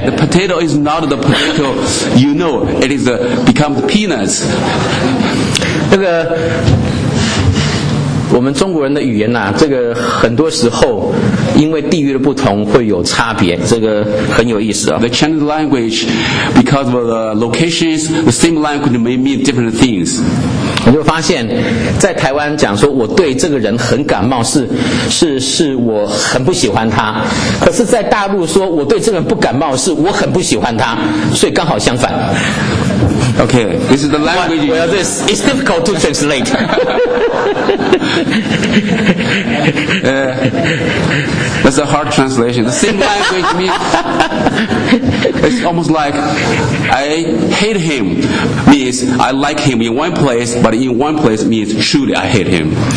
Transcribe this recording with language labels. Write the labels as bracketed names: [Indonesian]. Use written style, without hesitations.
[English] The potato is not the potato you know, it is become the peanuts. [Chinese] 那个我们中国人的语言啊，这个很多时候因为地域的不同会有差别，这个很有意思啊。 [English] The Chinese language, because of the locations, the same language may mean different things. [Chinese] 我就发现在台湾讲说我对这个人很感冒，是我很不喜欢他，可是在大陆说我对这个人不感冒，是我很不喜欢他，所以刚好相反。 [English] OK, this is the language. Well, this is difficult to translate. That's a hard translation. The same language means it's almost like I hate him means I like him in one place, but in one place means truly I hate him.